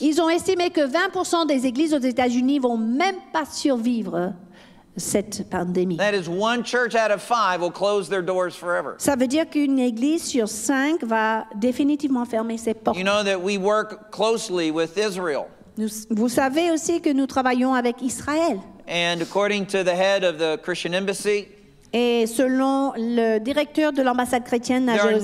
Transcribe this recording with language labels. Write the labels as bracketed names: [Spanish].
[French] Ils ont estimé que 20% des églises aux États-Unis vont même pas survivre cette pandémie. [English] That is one church out of five will close their doors forever. [French] Ça veut dire qu'une église sur cinq va définitivement fermer ses portes. [English] You know that we work closely with Israel. [French] Vous savez aussi que nous travaillons avec Israël. [English] And according to the head of the Christian embassy, [French] et selon le directeur de l'ambassade chrétienne à